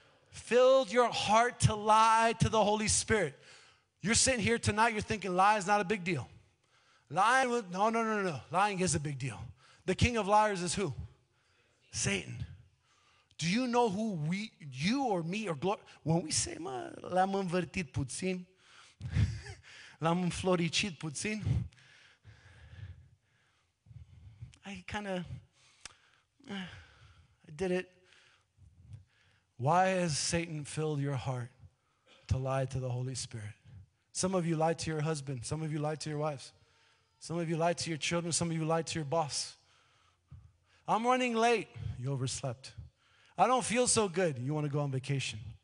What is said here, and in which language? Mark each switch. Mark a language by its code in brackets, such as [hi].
[en] Filled your heart to lie to the Holy Spirit. You're sitting here tonight, you're thinking lie is not a big deal. Lying with, no. Lying is a big deal. The king of liars is who? Satan. Do you know who we, you or me or glory? When we say, [ro] l-am învârtit puțin, l-am înfloricit puțin, [en] I did it. Why has Satan filled your heart to lie to the Holy Spirit? Some of you lied to your husband. Some of you lied to your wives. Some of you lied to your children. Some of you lied to your boss. I'm running late. You overslept. I don't feel so good. You want to go on vacation.